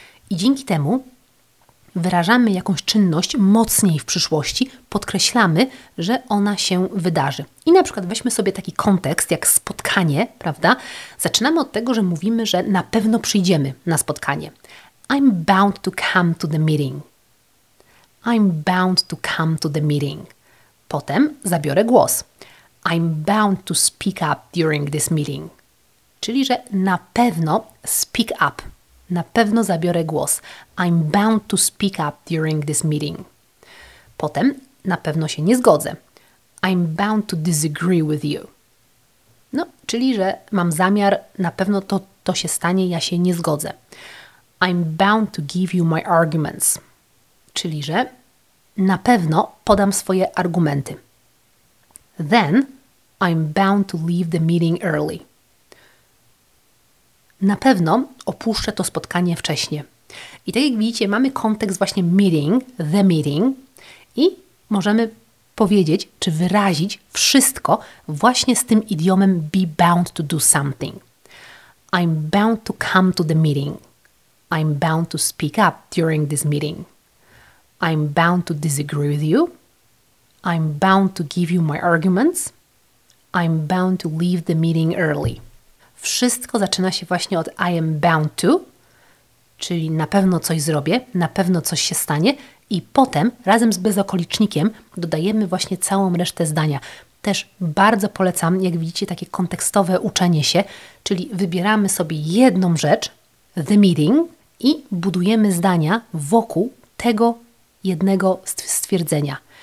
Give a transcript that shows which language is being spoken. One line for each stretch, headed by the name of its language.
Polish: I dzięki temu wyrażamy jakąś czynność mocniej w przyszłości, podkreślamy, że ona się wydarzy. I na przykład weźmy sobie taki kontekst jak spotkanie, prawda? Zaczynamy od tego, że mówimy, że na pewno przyjdziemy na spotkanie.
English: I'm bound to come to the meeting. I'm bound to come to the meeting.
Polish: Potem zabiorę głos.
English: I'm bound to speak up during this meeting.
Polish: Czyli, że na pewno
English: speak up.
Polish: Na pewno zabiorę głos.
English: I'm bound to speak up during this meeting.
Polish: Potem na pewno się nie zgodzę.
English: I'm bound to disagree with you.
Polish: No, czyli, że mam zamiar, na pewno to się stanie, ja się nie zgodzę.
English: I'm bound to give you my arguments.
Polish: Czyli, że na pewno podam swoje argumenty.
English: Then I'm bound to leave the meeting early.
Polish: Na pewno opuszczę to spotkanie wcześniej. I tak jak widzicie, mamy kontekst właśnie meeting, the meeting i możemy powiedzieć czy wyrazić wszystko właśnie z tym idiomem
English: be bound to do something. I'm bound to come to the meeting. I'm bound to speak up during this meeting. I'm bound to disagree with you. I'm bound to give you my arguments. I'm bound to leave the meeting early.
Polish: Wszystko zaczyna się właśnie od
English: I am bound to,
Polish: czyli na pewno coś zrobię, na pewno coś się stanie i potem razem z bezokolicznikiem dodajemy właśnie całą resztę zdania. Też bardzo polecam, jak widzicie, takie kontekstowe uczenie się, czyli wybieramy sobie jedną rzecz, the meeting, i budujemy zdania wokół tego jednego stwierdzenia.